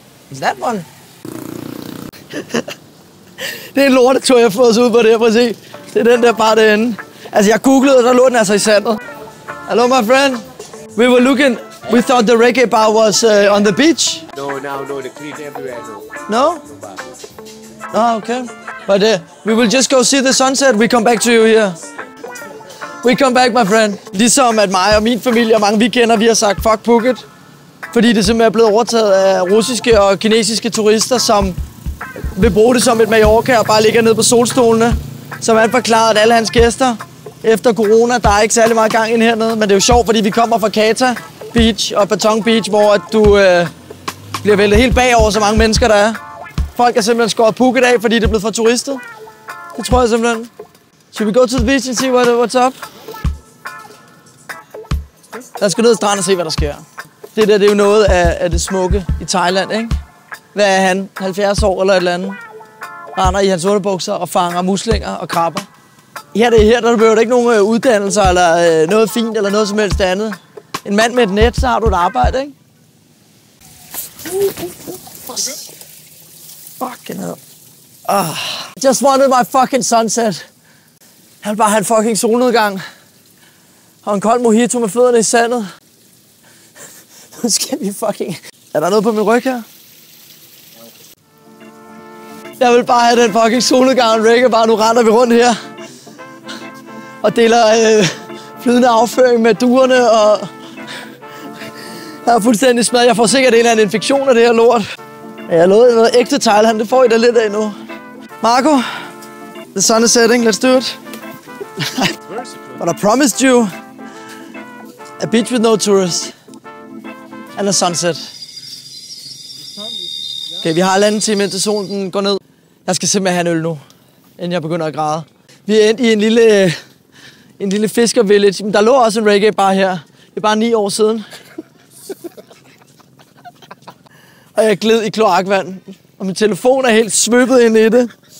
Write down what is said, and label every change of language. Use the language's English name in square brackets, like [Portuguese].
[English] Is that one? [Danish] Det er en lortetur, jeg får os ud på det her, prøv at se. Det er den der bar derinde. Altså, jeg googlede, og der lå den altså i sandet. [English] Hello, my friend. We were looking. We thought the reggae bar was on the beach. No. The cleat everywhere. No. No. Oh, okay. But we will just go see the sunset. We come back to you here. We come back, my friend. [Danish] Ligesom at mig og min familie og mange vi kender, vi har sagt fuck Phuket, fordi det simpelthen er blevet overtaget af russiske og kinesiske turister, som vil bruge det som et Mallorca og bare ligger ned på solstolene. Som han forklarede at alle hans gæster. Efter corona, der er ikke særlig meget gang ind hernede, men det er jo sjovt, fordi vi kommer fra Kata Beach og Patong Beach, hvor du bliver væltet helt bagover, så mange mennesker der er. Folk er simpelthen skåret Phuket af, fordi det er blevet for turistet. Det tror jeg simpelthen. [English] Should we go to the beach and see what's up? [Danish] Lad os gå ned i stranden og se, hvad der sker. Det der, det er jo noget af det smukke i Thailand, ikke? Hvad er han? 70 år eller et eller andet? Render i hans underbukser og fanger muslinger og krabber. Her, det er her, der behøver du ikke nogen uddannelse eller noget fint eller noget som helst andet. En mand med et net, så har du et arbejde, ikke? [English] Fucking hell. Just wanted my fucking sunset. [Danish] Jeg vil bare have en fucking solnedgang. Og en kold mojito med fødderne i sandet. Nu skal vi fucking... Er der noget på min ryg her? Jeg vil bare have den fucking solnedgang, Rikke. Bare nu render vi rundt her. Og deler flydende afføring med duerne, og jeg er fuldstændig smadret. Jeg får sikkert en eller anden infektion af det her lort. Men jeg lovede noget ægte Thailand, det får I da lidt af nu. [English] Marco, the sun is setting, let's do it. But I promised you a beach with no tourists and a sunset. [Danish] Okay, vi har en anden time, indtil solen går ned. Jeg skal simpelthen have en øl nu, inden jeg begynder at græde. Vi er endt i en lille fiskervillage, men der lå også en reggae bar her. Det er bare 9 år siden. Og jeg gled i kloakvand. Og min telefon er helt svøbet ind i det.